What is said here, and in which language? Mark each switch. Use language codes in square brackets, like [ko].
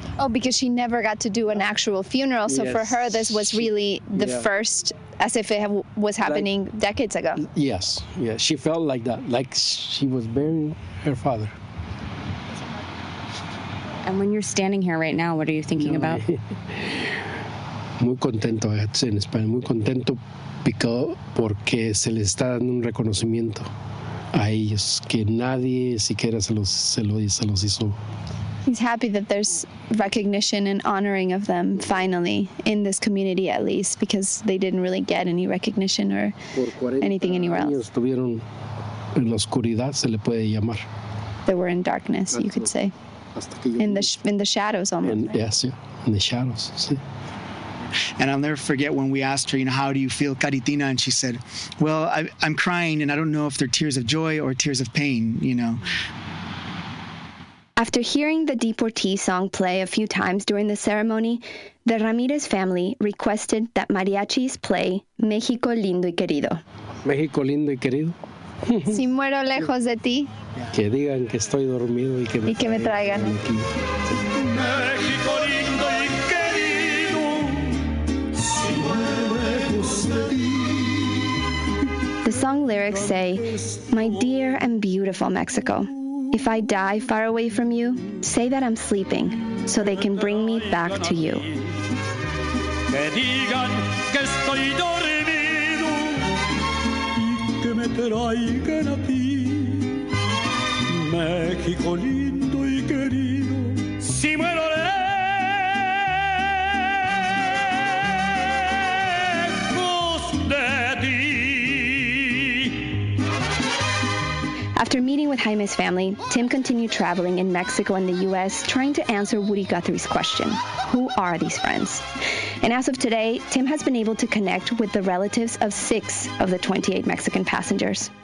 [en] Because she never got to do an actual funeral. So yes, for her, this was really the first, as if it was happening like, decades ago. Yes, yes. She felt like that, like she was burying her father. And when you're standing here right now, what are you thinking about? [es] Muy contento, en español, muy contento porque se les está dando un reconocimiento a ellos que nadie siquiera se los hizo. [en] He's happy that there's recognition and honoring of them finally in this community, at least, because they didn't really get any recognition or anything anywhere else. [es] Estuvieron en la oscuridad, se le puede llamar. [en] They were in darkness, you could say. In the shadows, almost. In the shadows, sí. And I'll never forget when we asked her, you know, how do you feel, Caritina? And she said, well, I'm crying, and I don't know if they're tears of joy or tears of pain, you know. After hearing the deportee song play a few times during the ceremony, the Ramirez family requested that mariachis play Mexico Lindo y Querido. [es] Mexico Lindo y Querido. Si muero lejos de ti. Que digan que estoy dormido y que me, y que me traigan. México lindo y querido. Si muero lejos de ti. [en] The song lyrics say, my dear and beautiful Mexico, if I die far away from you, say that I'm sleeping so they can bring me back to you. [es] Que digan que estoy dormido y que me traigan a ti. México lindo y querido, si muero lejos de ti. [en] After meeting with Jaime's family, Tim continued traveling in Mexico and the U.S. trying to answer Woody Guthrie's question, who are these friends? And as of today, Tim has been able to connect with the relatives of six of the 28 Mexican passengers.